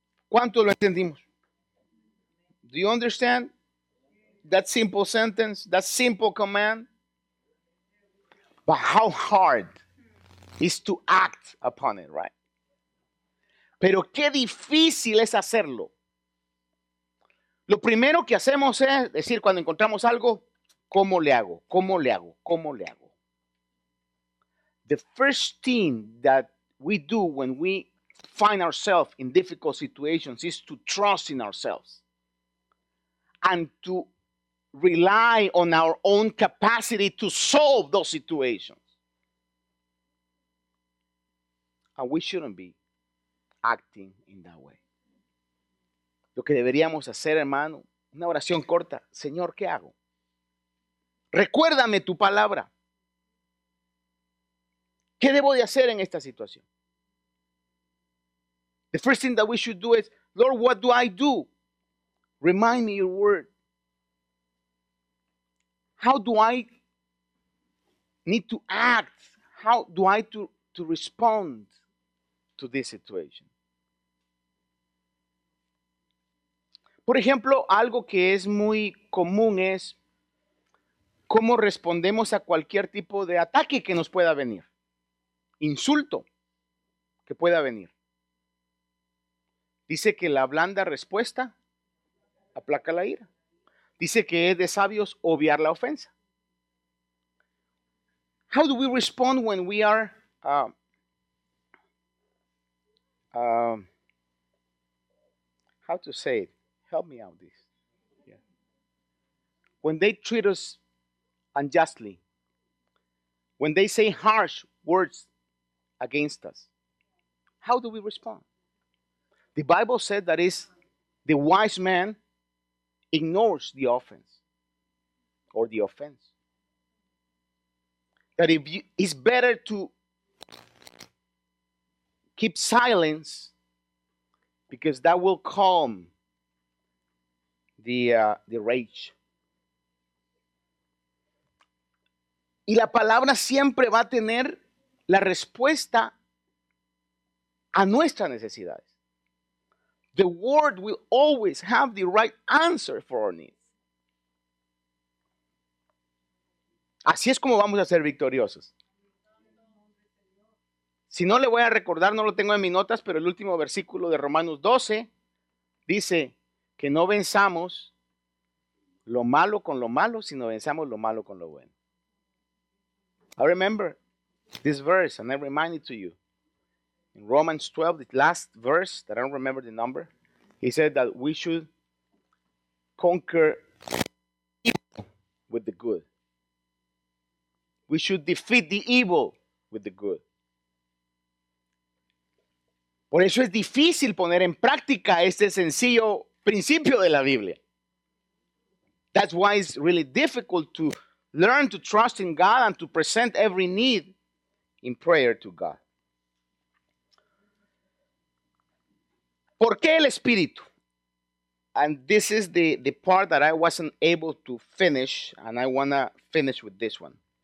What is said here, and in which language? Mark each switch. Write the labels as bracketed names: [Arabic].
[Spanish] ¿Cuántos lo entendimos? [English] Do you understand that simple sentence, that simple command? But how hard is to act upon it, right? [Spanish] Pero qué difícil es hacerlo. Lo primero que hacemos es decir, cuando encontramos algo, ¿cómo le hago? ¿Cómo le hago? ¿Cómo le hago? [English] The first thing that we do when we find ourselves in difficult situations is to trust in ourselves and to rely on our own capacity to solve those situations. And we shouldn't be acting in that way. [Spanish] Lo que deberíamos hacer, hermano, una oración corta. Señor, ¿qué hago? Recuérdame tu palabra. ¿Qué debo de hacer en esta situación? [English] The first thing that we should do is, Lord, what do I do? Remind me your word. How do I need to act? How do I to respond to this situation? [Spanish] Por ejemplo, algo que es muy común es cómo respondemos a cualquier tipo de ataque que nos pueda venir. Insulto que pueda venir. Dice que la blanda respuesta aplaca la ira. Dice que es de sabios obviar la ofensa. [English] How do we respond when we are how to say it? Help me out this. Yeah. When they treat us unjustly, when they say harsh words against us, how do we respond? The Bible said that is the wise man ignores the offense or the offense. That if you, it's better to keep silence because that will calm the rage. [Spanish] Y la palabra siempre va a tener la respuesta a nuestras necesidades. [English] The word will always have the right answer for our needs. [Spanish] Así es como vamos a ser victoriosos. Si no le voy a recordar, no lo tengo en mis notas, pero el último versículo de Romanos 12 dice que no venzamos lo malo con lo malo, sino venzamos lo malo con lo bueno. [English] I remember this verse, and I remind it to you. In Romans 12, the last verse, that I don't remember the number, he said that we should conquer evil with the good. We should defeat the evil with the good. [Spanish] Por eso es difícil poner en práctica este sencillo principio de la Biblia. [English] That's why it's really difficult to learn to trust in God and to present every need in prayer to God. [Spanish] ¿Por qué el Espíritu? [English] And this is the part that I wasn't able to finish, and I want to finish with this one.